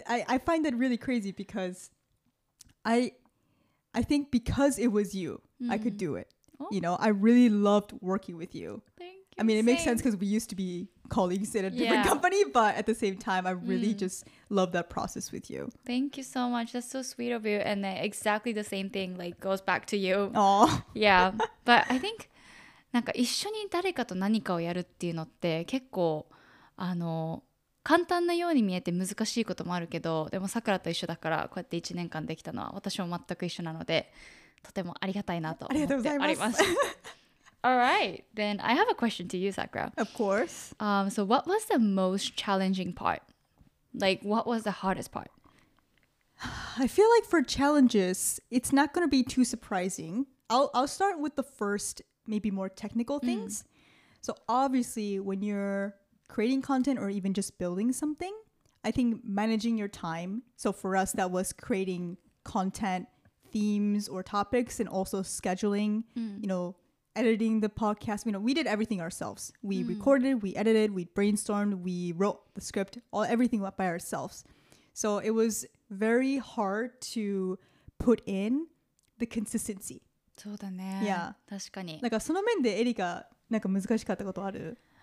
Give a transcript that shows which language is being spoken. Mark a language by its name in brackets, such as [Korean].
[English] I find that really crazy because I think because it was you, mm. I could do it. Oh. You know, I really loved working with you. Thank you. I mean, it makes sense because we used to be colleagues in a different yeah. company, but at the same time, I really mm. just love that process with you. Thank you so much. That's so sweet of you. And exactly the same thing like goes back to you. Oh. Yeah. But I think [Japanese] なんか一緒に誰かと何かをやるっていうのって結構あの簡単なように見えて難しいこともあるけど、でもさくらと一緒だからこうやって1年間できたのは私も全く一緒なのでとてもありがたいなと思ってあります。 [English] Alright, then I have a question to you, Sakura. Of course. So what was the most challenging part? Like, what was the hardest part? I feel like for challenges, it's not going to be too surprising. I'll start with the first, maybe more technical things. Mm. So obviously, when you're creating content or even just building something, I think managing your time. So for us, that was creating content, themes or topics, and also scheduling, mm. you know, editing the podcast. You know, we did everything ourselves. We mm. recorded, we edited, we brainstormed, we wrote the script, all everything went by ourselves. So it was very hard to put in the consistency. [Japanese] そうだね。 [English] Yeah. [Japanese] 確かに。なんかその面でエリがなんか難しかったことある？